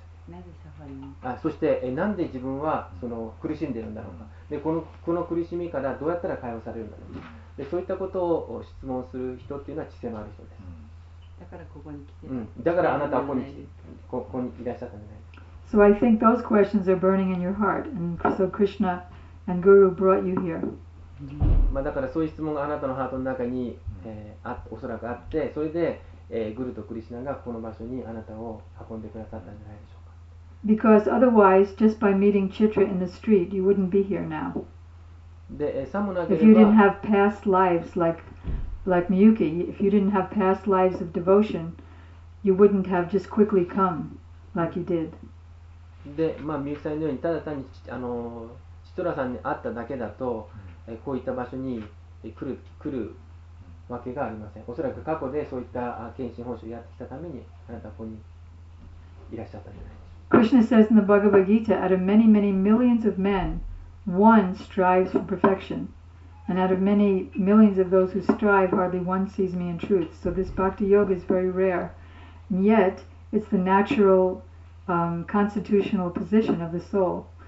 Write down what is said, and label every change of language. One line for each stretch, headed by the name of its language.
Japanese: なんでしたっけ？なぜサファリン？そして、なんで自分はその苦しんでるんだろうか、で、この苦しみからどうやったら解放されるんだろうか、で、そういったことを質問する人というのは知性のある人です。だからここに来てた、うん、だからあなたはここに来て、ここにいらっしゃったんじゃない。
English: So I think those questions are burning in your heart and so Krishna and Guru brought you here、
Japanese: まあ、だからそういう質問があなたのハートの中に、おそらくあって、それで、グルとクリシナがこの場所にあなたを運んでくださったんじゃないでしょうか。
English: Because otherwise just by meeting Chitra in the street you wouldn't be here now。
Japanese: でさもなければ
English: If you didn't have past lives like Miyuki, if you didn't have past lives of devotion, you wouldn't have just quickly come like you did.
Japanese: で、まあ、ミユキさんのようにただ単にチトラさんに会っただけだと、こういった場所に来るわけがありません。おそらく過去でそういった献身奉仕をやってきたためにあなたはここにいらっしゃったんじゃないですか。
English: Krishna says in the Bhagavad Gita, out of many, many millions of men,One strives for perfection, and out of many millions of those who strive, hardly one sees me in truth. So this bhakti yoga is very rare, and yet it's the natural, constitutional position of the soul.